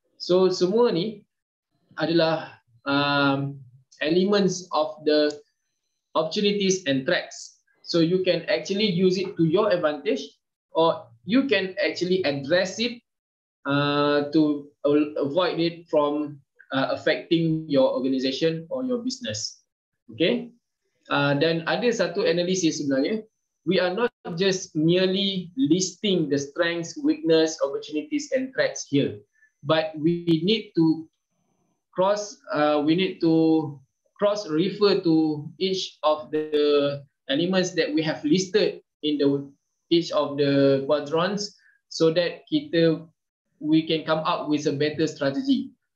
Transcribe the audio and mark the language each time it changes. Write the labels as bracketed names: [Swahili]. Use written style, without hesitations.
[English] So [Malay] semua ni adalah [English] elements of the opportunities and threats. So you can actually use it to your advantage, or you can actually address it to avoid it from affecting your organization or your business. Okay. [Malay] Then ada satu analisis sebenarnya. [English] We are not just merely listing the strengths, weakness, opportunities and threats here, but we need to cross refer to each of the elements that we have listed in the each of the quadrants, so that we can come up with a better strategy.